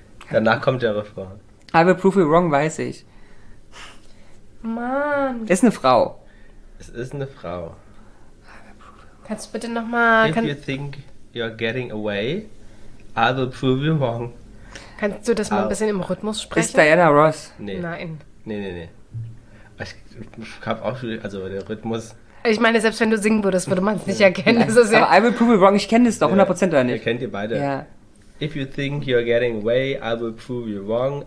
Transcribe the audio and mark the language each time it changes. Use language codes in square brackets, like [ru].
[de] Danach kommt der Refrain. [en] I will prove you wrong, weiß ich. [de] Mann. Ist eine Frau. Es ist eine Frau. Kannst du bitte nochmal... [en] If you think you're getting away, I will prove you wrong. [de] Kannst du das mal ein bisschen im Rhythmus sprechen? Ist Diana Ross? Nee. Nein. Nee. Ich hab auch schon, also der Rhythmus. Ich meine, selbst wenn du singen würdest, würde man es nicht erkennen. Aber [en] I will prove you wrong, [de] ich kenne es doch 100% oder nicht. Ihr kennt ihr beide. Ja. [en] If you think you're getting away, I will prove you wrong.